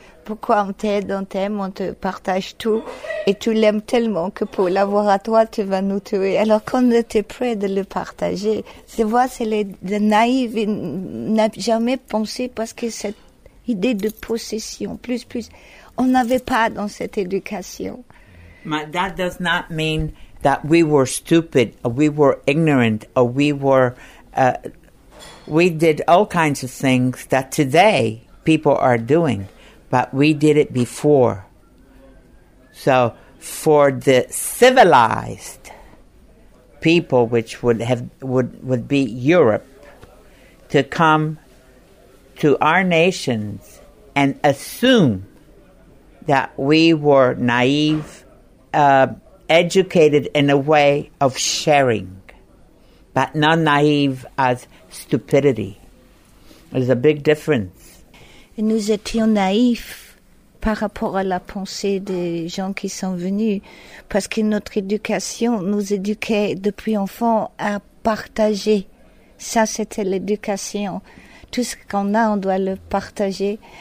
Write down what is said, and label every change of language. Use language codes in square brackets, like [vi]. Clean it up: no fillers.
[fr] Pourquoi on t'aime, on te partage tout, et tu l'aimes tellement que pour l'avoir à toi, tu vas nous tuer. Alors qu'on était prêt de le partager. Tu vois, c'est le naïf, il n'a jamais pensé, parce que cette idée de possession, plus, on n'avait pas dans cette éducation. [en] But that does not mean that we were stupid, or we were ignorant, or we were... We did all kinds of things that today people are doing, but we did it before. So for the civilized people, which would be Europe, to come to our nations and assume that we were naive, educated in a way of sharing, but not naive as stupidity. There's a big difference. [fr] Et nous étions naïfs par rapport à la pensée des gens qui sont venus, parce que notre éducation nous éduquait depuis enfant à partager. Ça, c'était l'éducation. Tout ce qu'on a, on doit le partager.